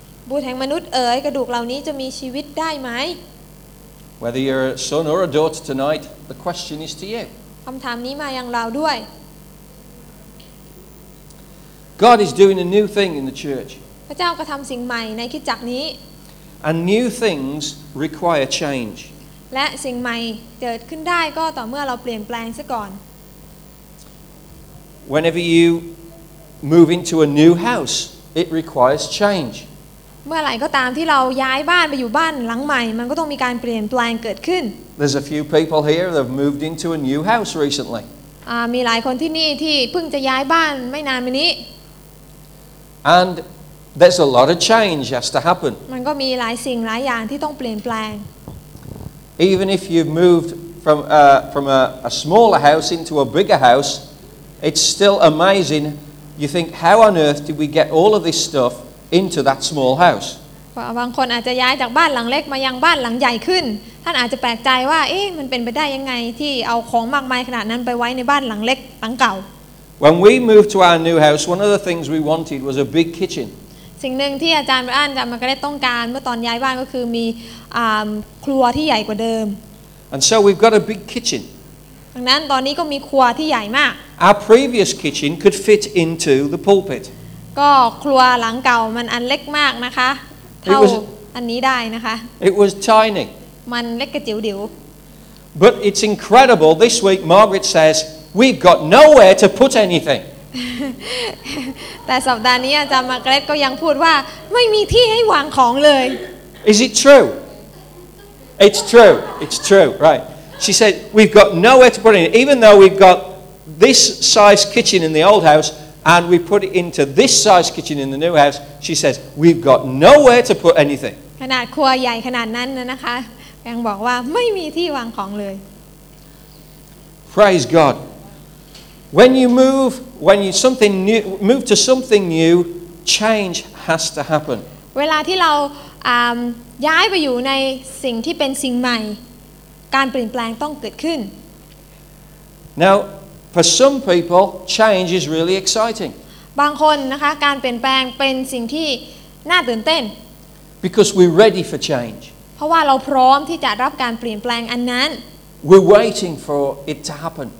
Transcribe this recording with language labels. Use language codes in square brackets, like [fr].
[th] บุตรแห่งมนุษย์เอ๋ยกระดูกเหล่านี้จะมีชีวิตได้ไหม [en] Whether you're a son or a daughter tonight the question is to you [th] คําถามนี้มายังเราด้วย [en] God is doing a new thing in the church [th] พระเจ้าก็ทําสิ่งใหม่ในคริสตจักรนี้ [en] And new things require change [th] และสิ่งใหม่เกิดขึ้นได้ก็ต่อเมื่อเราเปลี่ยนแปลงซะก่อน [en] Whenever you move into a new house it requires change [th] เมื่อไหร่ก็ตามที่เราย้ายบ้านไปอยู่บ้านหลังใหม่มันก็ต้องมีการเปลี่ยนแปลงเกิดขึ้น [en] There's a few people here that have moved into a new house recently [th] มีหลายคนที่นี่ที่เพิ่งจะย้ายบ้านไม่นานมานี้ [en] And there's a lot of change has to happen [th] มันก็มีหลายสิ่งหลายอย่างที่ต้องเปลี่ยนแปลง [en] Even if you've moved from a smaller house into a bigger house, it's still amazing. You think, how on earth did we get all of this stuff into that small house? [th] บางคนอาจจะย้ายจากบ้านหลังเล็กมายังบ้านหลังใหญ่ขึ้นท่านอาจจะแปลกใจว่าเอ๊ะมันเป็นไปได้ยังไงที่เอาของมากมายขนาดนั้นไปไว้ในบ้านหลังเล็กหลังเก่า [en] When we moved to our new house, one of the things we wanted was a big kitchen. [th] สิ่งหนึ่งที่อาจารย์บรานจามาเกรตต้องการเมื่อตอนย้ายบ้านก็คือมีครัวที่ใหญ่กว่าเดิม [en] And so we've got a big kitchen [th] ดังนั้นตอนนี้ก็มีครัวที่ใหญ่มาก [en] Our previous kitchen could fit into the pulpit [th] ก็ครัวหลังเก่ามันอันเล็กมากนะคะเท่าอันนี้ได้นะคะ [en] It was tiny [th] มันเล็กกระจิ๋วเดียว [en] But it's incredible this week Margaret says we've got nowhere to put anything [th] แต่สัปดาห์นี้อาจารย์มาเกรทก็ยังพูดว่าไม่มีที่ให้วางของเลย [en] Is it true? It's true. It's true. Right. She said we've got nowhere to put it. Even though we've got this size kitchen in the old house and we put it into this size kitchen in the new house, she says we've got nowhere to put anything. [th] ขนาดครัวใหญ่ขนาดนั้นนะคะยังบอกว่าไม่มีที่วางของเลย [en] Praise God. When you move, when you something new, move to something new, change has to happen. [th] เวลาที่เราย้ายไปอยู่ในสิ่งที่เป็นสิ่งใหม่การเปลี่ยนแปลงต้องเกิดขึ้น [en] Now, for some people, change is really exciting. [th] บางคนนะคะการเปลี่ยนแปลงเป็นสิ่งที่น่าตื่นเต้น [en] Because we're ready for change. [th] เพราะว่าเราพร้อมที่จะรับการเปลี่ยนแปลงอันนั้น [en] We're waiting for it to happen.